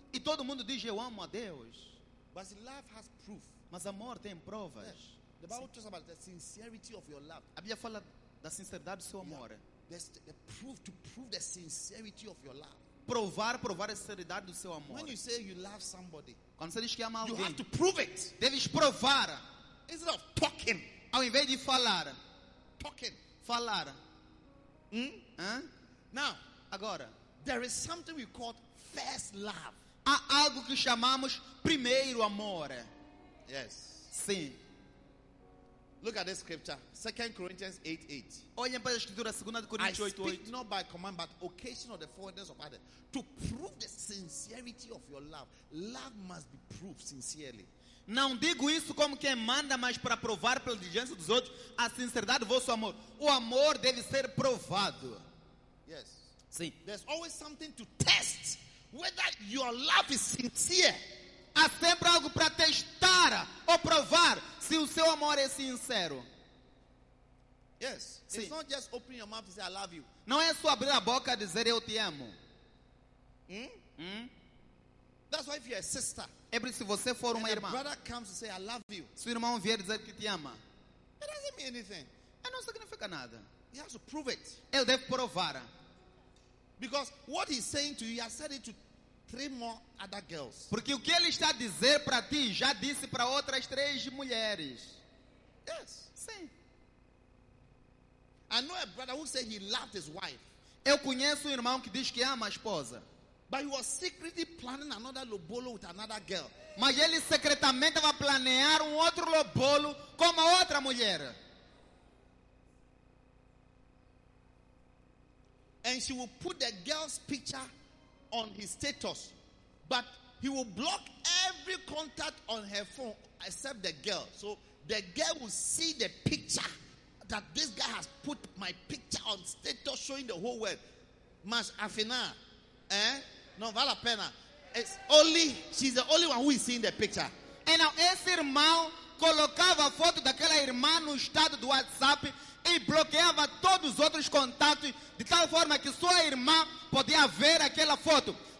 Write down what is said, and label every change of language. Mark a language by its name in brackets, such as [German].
[Portuguese] E todo mundo diz eu amo a Deus. [English] But love has proof. [Portuguese] Mas amor tem provas. [English] Yes. The Bible talks about the sincerity of your love. [Portuguese] A Bíblia fala da sinceridade do seu amor. [English] Yeah. The proof to prove the sincerity of your love. [Portuguese] Provar a sinceridade do seu amor. [English] When you say you love somebody, [Portuguese] quando você diz que ama [English] you [Portuguese] alguém, [English] you have to prove it. [Portuguese] Deves provar. [English] Instead of talking, [Portuguese] ao invés de falar, [English] talking, [Portuguese] falar. [English] Now, [Portuguese] agora, [English] there is something we call first love. [Portuguese] Há algo que chamamos primeiro amor. [English] Yes. [Portuguese] Sim. [English] Look at this scripture. 2 Corinthians 8:8. [Portuguese] Olhem para a escritura, 2 Coríntios 8:8. [English] I speak not by command, but occasion of the forwardness of others. To prove the sincerity of your love. Love must be proved sincerely. [Portuguese] Não digo isso como quem manda, mas para provar pela diligência dos outros a sinceridade do vosso amor. O amor deve ser provado. [English] Yes. [Portuguese] Sim. [English] There's always something to test whether your love is sincere. [Portuguese] Há sempre algo para testar ou provar se o seu amor é sincero. [English] Yes. [Portuguese] Sim. [English] It's not just opening your mouth and say I love you. [Portuguese] Não é só abrir a boca e dizer eu te amo. [English] That's why if you're a sister. [Portuguese] É por isso se você for uma irmã. [English] A brother comes to say I love you. [Portuguese] Se o irmão vier dizer que te ama. [English] It doesn't mean anything. [Portuguese] Não significa nada. [English] He has to prove it. [Portuguese] Ele deve provar. [English] Because what he's saying to you, he has said it to 3 more other girls. [Portuguese] Porque o que ele está a dizer para ti, já disse para outras 3 mulheres. [English] Yes. [Portuguese] Sim. [English] I know a brother who said he loved his wife. [Portuguese] Eu conheço irmão que diz que ama a esposa. [English] But he was secretly planning another lobolo with another girl. [Portuguese] Mas ele secretamente vai planear outro lobolo com uma outra mulher. E [English] and she will put the girl's picture on his status, but he will block every contact on her phone except the girl. So the girl will see the picture that this guy has put my picture on status, showing the whole world. [Portuguese] Mas afina, eh? No vale a pena. [English] It's only she's the only one who is seeing the picture. [Portuguese] E não, esse irmão colocava a foto daquela irmã no estado do WhatsApp e bloqueava todos os outros contatos de tal forma que sua irmã podia ver aquela foto.